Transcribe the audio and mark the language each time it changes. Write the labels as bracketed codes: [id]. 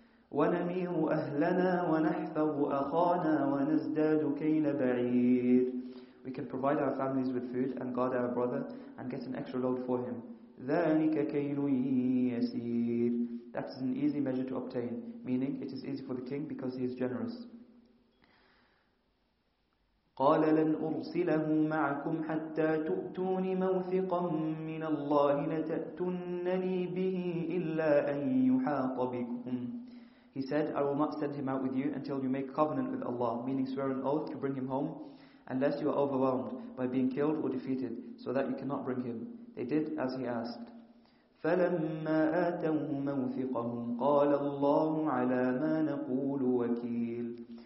[ar] ونمير أهلنا ونحفظ أخانا ونزداد كيل بعير [en] We can provide our families with food and guard our brother and get an extra load for him. [ar] ذلك كيل يسير [en] That is an easy measure to obtain, meaning it is easy for the king because he is generous. [ar] قال لن أرسله معكم حتى تؤتوني موثقا من الله لتأتنني به إلا أن يحاط بكم [en] He said, I will not send him out with you until you make covenant with Allah, meaning swear an oath to bring him home, unless you are overwhelmed by being killed or defeated, so that you cannot bring him. They did as he asked. [ar] فَلَمَّا آتَوْهُ مَوْثِقَهُمْ قَالَ اللَّهُ عَلَى مَا نَقُولُ وَكِيلٌ